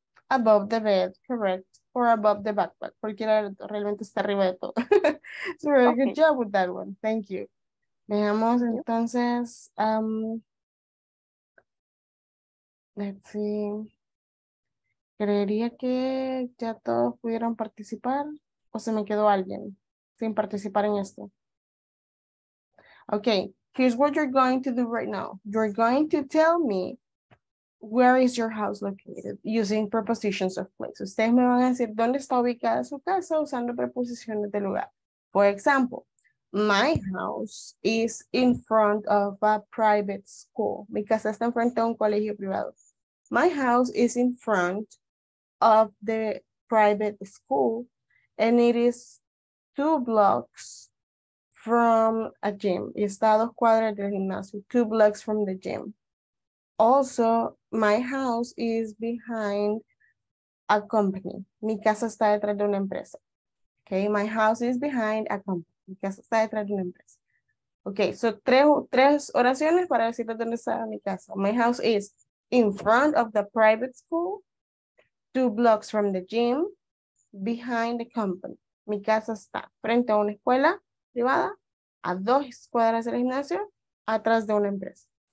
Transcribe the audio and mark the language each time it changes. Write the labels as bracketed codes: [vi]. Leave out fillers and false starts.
[en] Above the bed, correct. Or above the backpack. [es] Cualquiera realmente está arriba de todo. [en] So, very okay. good job with that one. Thank you. [es] Veamos entonces. [en] Let's see. [es] ¿Creería que ya todos pudieron participar? ¿O se me quedó alguien sin participar en esto? [en] Okay, here's what you're going to do right now. You're going to tell me where is your house located using prepositions of place. [es] Ustedes me van a decir dónde está ubicada su casa usando preposiciones de lugar. [en] For example, my house is in front of a private school. [es] Mi casa está enfrente a un colegio privado. [en] My house is in front of the private school and it is two blocks from a gym. [es] Y está a dos cuadras del gimnasio, [en] two blocks from the gym. Also, my house is behind a company. [es] Mi casa está detrás de una empresa. Okay, [en] my house is behind a company. [es] Mi casa está detrás de una empresa. [en] Okay, so [es] tres oraciones para decirte dónde está mi casa. [en] My house is in front of the private school, two blocks from the gym, behind the company. [es] Mi casa está frente a una escuela privada, a dos cuadras del gimnasio, atrás de una empresa.